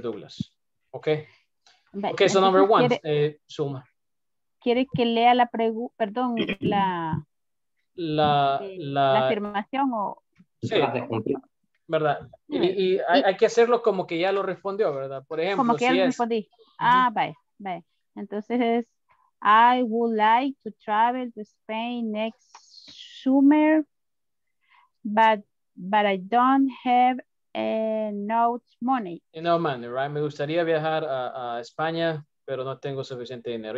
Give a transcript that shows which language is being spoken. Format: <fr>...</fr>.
<en>Douglas, ¿ok? Ok, so number one, Zulma.</en> <es>¿Quiere que lea la pregunta, perdón, la... La... La afirmación o... Sí, ¿verdad? Y hay que hacerlo como que ya lo respondió, ¿verdad? Por ejemplo, como que si ya lo es... respondí. Ah, bye. Entonces,</es> <en>I would like to travel to Spain next summer, but I don't have... No money, right?</en> <es>Me gustaría viajar a España, pero no tengo suficiente dinero.</es>